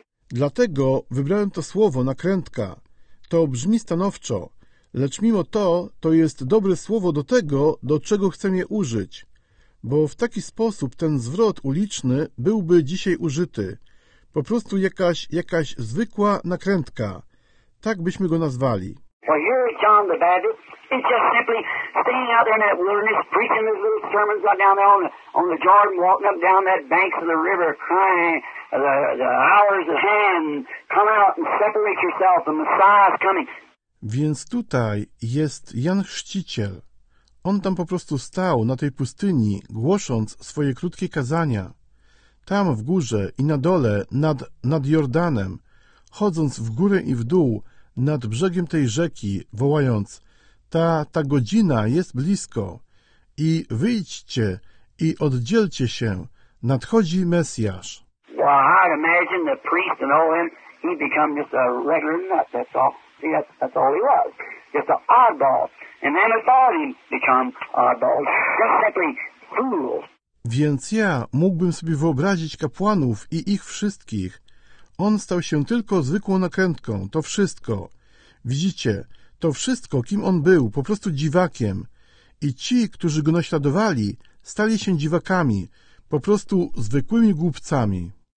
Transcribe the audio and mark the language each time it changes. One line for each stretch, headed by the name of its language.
Polish: Dlatego wybrałem to słowo nakrętka. To brzmi stanowczo, lecz mimo to jest dobre słowo do tego, do czego chcę je użyć. Bo w taki sposób ten zwrot uliczny byłby dzisiaj użyty. Po prostu jakaś zwykła nakrętka. Tak byśmy go nazwali.
English: Well, here is John the Baptist. He's just simply standing out there in that wilderness, preaching his little sermons out down there on the Jordan, walking up down that banks of the river, crying, the hour's at hand, come out and separate yourself, the Messiah's coming.
Polish: Więc tutaj jest Jan Chrzciciel. On tam po prostu stał na tej pustyni, głosząc swoje krótkie kazania. Tam w górze i na dole, nad Jordanem, chodząc w górę i w dół, nad brzegiem tej rzeki, wołając, ta godzina jest blisko i wyjdźcie i oddzielcie się, nadchodzi Mesjasz.
English: Well, I'd imagine the priest and all him, he'd become just a regular nut, that's all. See, that's all he was, just an oddball. And then it thought he'd become oddball, just simply fools.
Polish: Więc ja mógłbym sobie wyobrazić kapłanów i ich wszystkich. On stał się tylko zwykłą nakrętką, to wszystko. Widzicie, to wszystko, kim on był, po prostu dziwakiem. I ci, którzy go naśladowali, stali się dziwakami, po prostu zwykłymi głupcami.